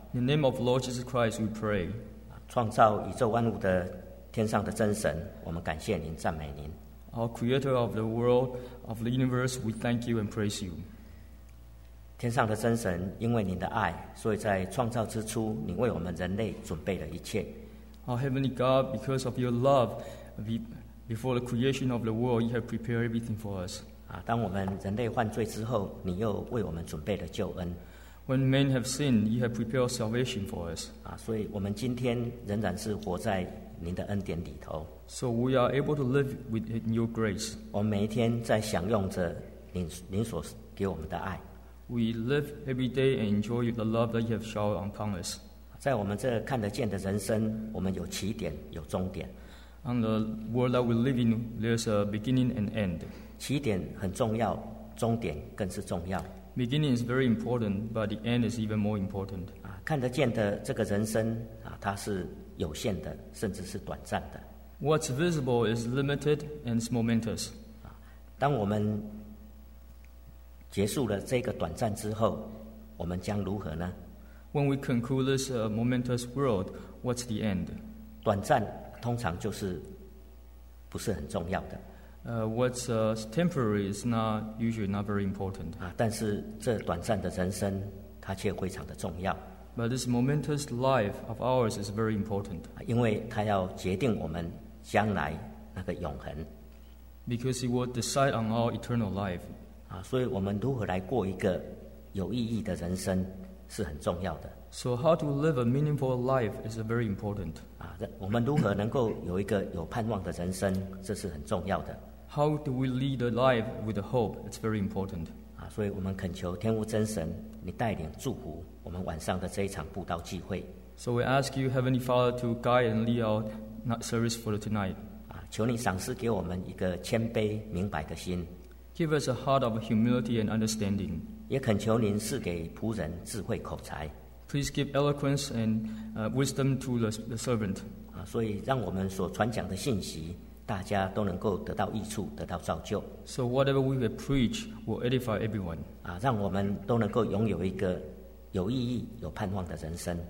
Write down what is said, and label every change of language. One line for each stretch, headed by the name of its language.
English: In the name of Lord Jesus Christ, we pray.
Chinese: 创造宇宙万物的天上的真神，我们感谢您，赞美您。
English: Our Creator of the world, of the universe, we thank you and praise you.
Chinese: 天上的真神，因为您的爱，所以在创造之初，您为我们人类准备了一切。
English: Our Heavenly God, because of your love, Before the creation of the world, you have prepared everything for us.
Chinese: 当我们人类犯罪之后，你又为我们准备了救恩。
English: When men have sinned, you have prepared salvation for us.
Chinese: 所以我们今天仍然是活在您的恩典里头。
English: So we are able to live within your grace.
Chinese: 我们每一天在享用着您所给我们的爱。
English: We live every day and enjoy the love that you have showered upon us.
Chinese: 在我们这看得见的人生，我们有起点，有终点。
English: On the world that we live in, there's a beginning and end.
Chinese: 起点很重要，终点更是重要。
English: Beginning is very important, but the end is even more important.
Chinese: 看得见的这个人生它是有限的，甚至是短暂的。
English: What's visible is limited and it's momentous.
Chinese: 当我们结束了这个短暂之后，我们将如何呢？
English: When we conclude this momentous world, what's the end?
Chinese: 短暂通常就是不是很重要的。
English: What's temporary is not usually not very important.
Chinese: 但是这短暂的人生，它却非常的重要。
English: But this momentous life of ours is very important.
Chinese: 因为它要决定我们将来那个永恒。
English: Because it will decide on our eternal life.
Chinese: 所以我们如何来过一个有意义的人生是很重要的。
English: So how to live a meaningful life is very important.
Chinese: 我们如何能够有一个有盼望的人生，这是很重要的。
English: How do we lead a life with hope? It's very important.
Chinese: 所以我们恳求天父真神，你带领祝福我们晚上的这一场布道聚会。
English: So we ask you, Heavenly Father, to guide and lead our service for tonight.
Chinese: 求你赏赐给我们一个谦卑明白的心。
English: Give us a heart of humility and understanding.
Chinese: 也恳求您赐给仆人智慧口才。
English: Please give eloquence and wisdom to the servant.
Chinese: 所以让我们所传讲的信息，大家都能够得到益处，得到造就。
English: So whatever we will preach will edify everyone.
Chinese: 让我们都能够拥有一个有意义、有盼望的人生。